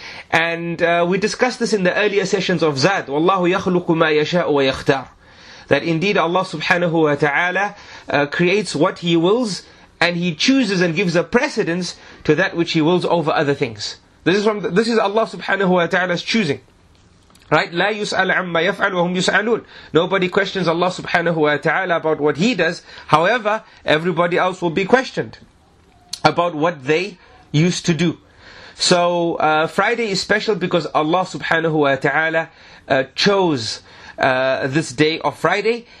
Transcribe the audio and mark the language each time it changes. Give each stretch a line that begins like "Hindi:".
English: And we discussed this in the earlier sessions of Zad.
Arabic: Wallahu yakhluqu ma yasha'u wa yakhtar.
English: That indeed Allah subhanahu wa ta'ala creates what He wills, and He chooses and gives a precedence to that which He wills over other things. This is Allah subhanahu wa ta'ala's choosing. Right?
Arabic: لا يسأل عما يفعل وهم يسألون.
English: Nobody questions Allah subhanahu wa ta'ala about what He does. However, everybody else will be questioned about what they used to do. So, Friday is special because Allah subhanahu wa ta'ala chose this day of Friday.